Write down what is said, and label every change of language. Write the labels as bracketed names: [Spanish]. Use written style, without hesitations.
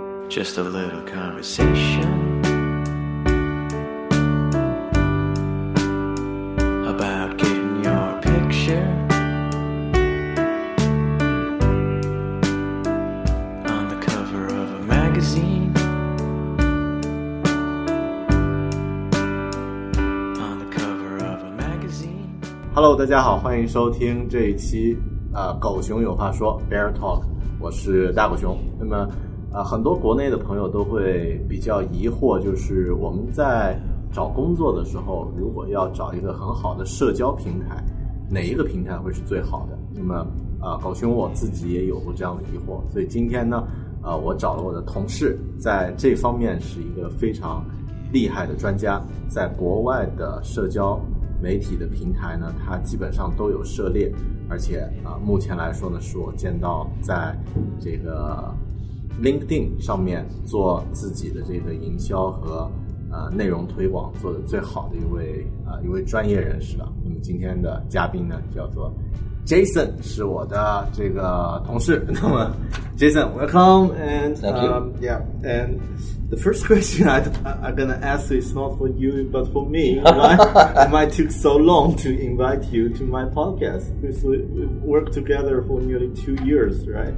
[English] Just a little conversation about getting your picture on the cover of a magazine, on the cover of a magazine. [Chinese] Hello, 大家好，欢迎收听这一期狗熊有话说 Bear Talk， 我是大狗熊。那么很多国内的朋友都会比较疑惑，就是我们在找工作的时候，如果要找一个很好的社交平台，哪一个平台会是最好的？那么狗熊我自己也有过这样的疑惑，所以今天呢我找了我的同事，在这方面是一个非常厉害的专家，在国外的社交媒体的平台呢他基本上都有涉猎，而且目前来说呢是我见到在这个 LinkedIn 上面做自己的这个营销和内容推广做的最好的一位专业人士了。那么今天的嘉宾呢叫做 Jason， 是我的这个同事。 [English] 那么 Jason， welcome and thank you. Yeah, and the first question I'm gonna ask is not for you but for me. Why took so long to invite you to my podcast? We've worked together for nearly 2 years, right?